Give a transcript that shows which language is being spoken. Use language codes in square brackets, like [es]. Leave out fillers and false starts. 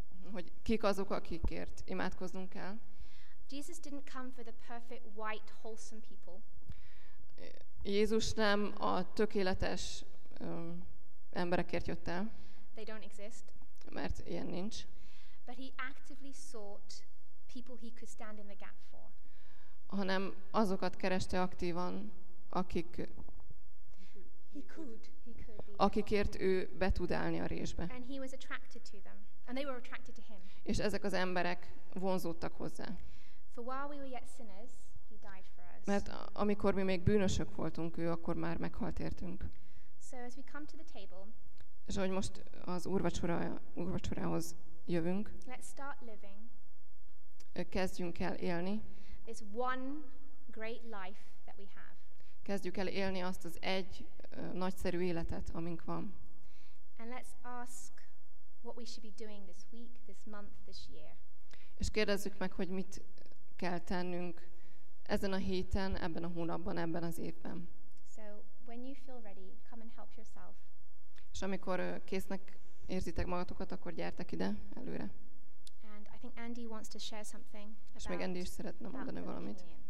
[hu] Hogy kik azok, akikért imádkoznunk kell? [en] Jesus didn't come for the perfect white wholesome people. [hu] Jézus nem a tökéletes emberekért jött el. [en] They don't exist. [hu] Mert ilyen nincs. [en] But he actively sought people he could stand in the gap for. [hu] Hanem azokat kereste aktívan, akik [en] he could [hu] akikért ő be tud állni a résbe. [en] And he was attracted to them, and they were attracted to him. [hu] És ezek az emberek vonzódtak hozzá. [en] For while we were yet sinners, he died for us. [hu] Mert amikor mi még bűnösök voltunk, ő akkor már meghalt értünk. [en] So as we come to the table, [hu] és ahogy most az úrvacsorához jövünk, [en] let's start living. [hu] Kezdjünk el élni. [en] This one great life that we have. [hu] Kezdjük el élni azt az egy nagyszerű életet, amink van. [en] And let's ask what we should be doing this week, this month, this year. [hu] És kérdezzük meg, hogy mit kell tennünk ezen a héten, ebben a hónapban, ebben az évben. [en] So when you feel ready, come and help yourself. [hu] És amikor késznek érzitek magatokat, akkor gyertek ide előre. [en] I think Andy wants to share something. [hu] És még Andy is szeretne mondani valamit.